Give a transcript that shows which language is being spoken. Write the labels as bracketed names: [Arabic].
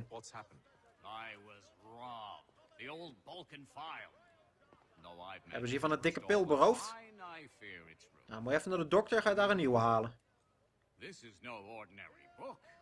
[English] I was robbed. The old Balkan file. [Dutch] Hebben ze hier van een dikke pil beroofd? Nou, moet je even naar de dokter, ga je daar een nieuwe halen. [English] This is no ordinary book.